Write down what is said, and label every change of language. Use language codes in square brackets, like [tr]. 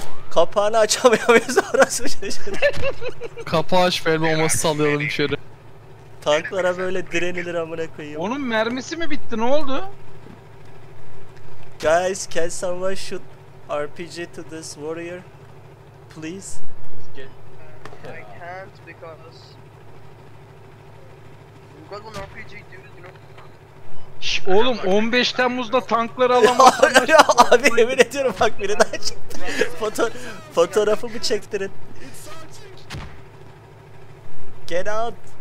[tr] Kapağını açamayamıyoruz orası dışarı. Kapağı aç, el bombası sallayalım dışarı. Tanklara böyle direnilir amına koyayım. Onun mermisi mi bitti, ne oldu? [en] Guys, can someone shoot RPG to this warrior, please? I can't because we got one RPG dude. [tr] Shh, oğlum, 15 Temmuz'da tankları alamazsın. Abi, emin ediyorum, bak biri daha çıktı. Fotoğrafı mı çektirin? [en] Get out!